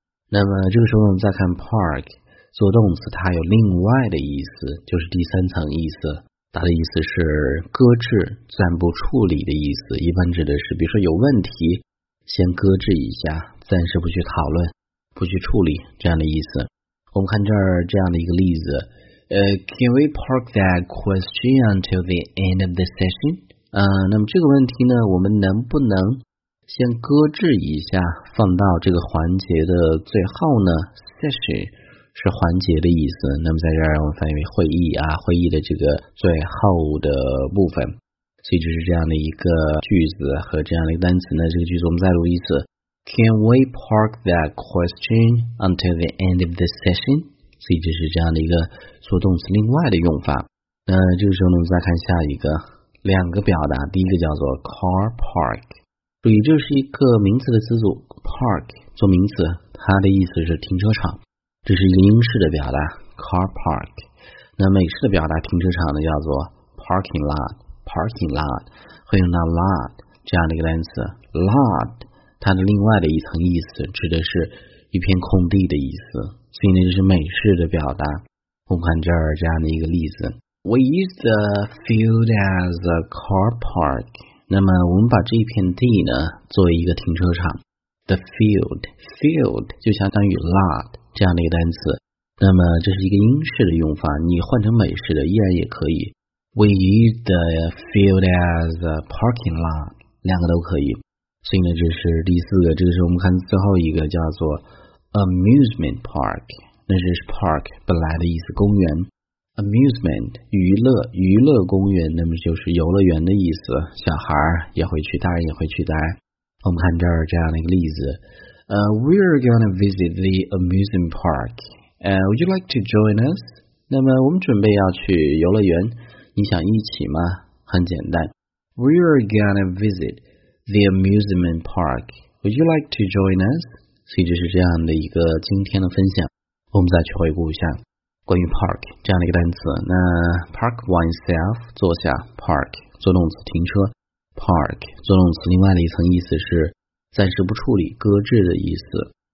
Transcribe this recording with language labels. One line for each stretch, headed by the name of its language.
Chinese: 那么这个时候我们再看 park 做动词，它有另外的意思，就是第三层意思，它的意思是搁置、暂不处理的意思，一般指的是比如说有问题先搁置一下，暂时不去讨论、不去处理这样的意思。我们看这儿这样的一个例子，
English: Can we park that question until the end of the session?
Chinese: 那么这个问题呢，我们能不能先搁置一下，放到这个环节的最后呢？ session 是环节的意思，那么在这儿我们翻译为会议啊，会议的这个最后的部分。所以这是这样的一个句子和这样的一个单词呢。这个句子我们再读一次，
English: Can we park that question until the end of the session?
Chinese: 所以这是这样的一个做动词另外的用法。那这个时候呢，我们再看下一个两个表达，第一个叫做 car park， 注意这是一个名词的词组， park 做名词，它的意思是停车场，这是一个英式的表达 car park。那美式的表达停车场呢，叫做 parking lot， parking lot 会用到 lot 这样的一个单词， lot 它的另外的一层意思指的是一片空地的意思，所以呢这是美式的表达。我们看这儿这样的一个例子，
English: We use the field as a car park.
Chinese: 那么我们把这片地呢作为一个停车场。 The field 就相当于 lot 这样的一个单词。那么这是一个英式的用法，你换成美式的依然也可以。
English: We use the field as a parking lot.
Chinese: 两个都可以。所以呢，这是第四个，这个是我们看最后一个叫做 amusement park. 那这是 park 本来的意思，公园。Amusement 娱乐公园，那么就是游乐园的意思，小孩也会去，大人也会去的。我们看这儿这样的一个例子，
English: We're going to visit the amusement park. Would you like to join us?
Chinese: 那么我们准备要去游乐园，你想一起吗？很简单，
English: We're going to visit the amusement park. Would you like to join us?
Chinese: 所以这是这样的一个今天的分享，我们再去回顾一下关于 park 这样的一个单词。那 park oneself 坐下， park 做动词停车， park 做动词另外的一层意思是暂时不处理、搁置的意思。